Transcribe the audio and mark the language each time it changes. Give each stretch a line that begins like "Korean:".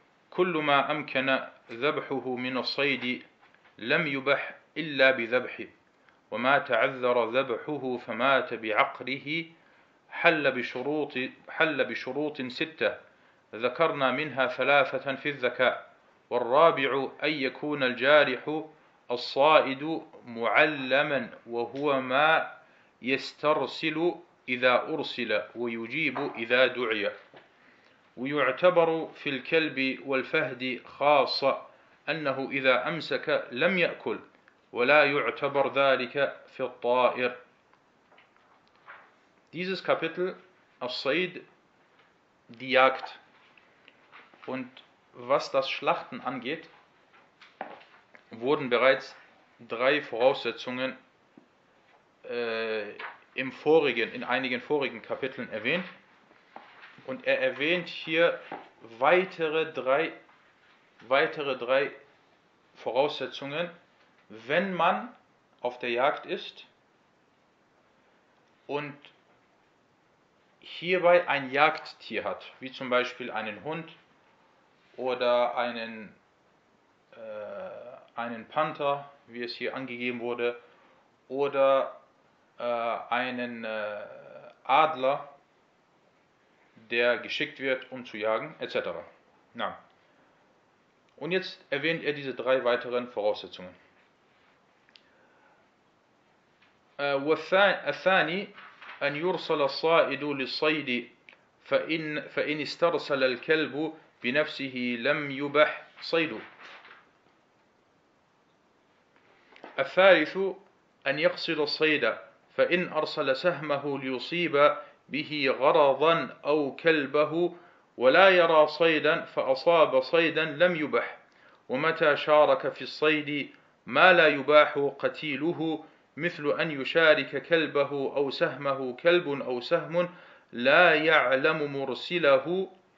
Arabic: Kullu ma amkana dhabhuhu min As-Saydi lam yubah illa bi dhabhi وما تعذر ذبحه فمات بعقره حل بشروط ستة ذكرنا منها ثلاثة في الذكاء، والرابع أن يكون الجارح الصائد معلما وهو ما يسترسل إذا أرسل ويجيب إذا دعي، ويعتبر في الكلب والفهد خاصة أنه إذا أمسك لم يأكل ولا يعتبر ذلك في الطائر.
German: Dieses Kapitel As-Sayd, die Jagd. Und was das Schlachten angeht, wurden bereits drei Voraussetzungen in einigen vorigen Kapiteln erwähnt. Und er erwähnt hier weitere drei Voraussetzungen, wenn man auf der Jagd ist und hierbei ein Jagdtier hat, wie zum Beispiel einen Hund oder einen Panther, wie es hier angegeben wurde, oder einen Adler, der geschickt wird, um zu jagen, etc. Na. Und jetzt erwähnt er diese drei weiteren Voraussetzungen.
Arabic: والثاني أن يرسل الصائد للصيد فإن استرسل الكلب بنفسه لم يبح صيده. الثالث أن يقصد الصيد فإن أرسل سهمه ليصيب به غرضا أو كلبه ولا يرى صيدا فأصاب صيدا لم يبح، ومتى شارك في الصيد ما لا يباح قتيله مثل أن يشارك كلبه أو سهمه كلب أو سهم لا يعلم مرسله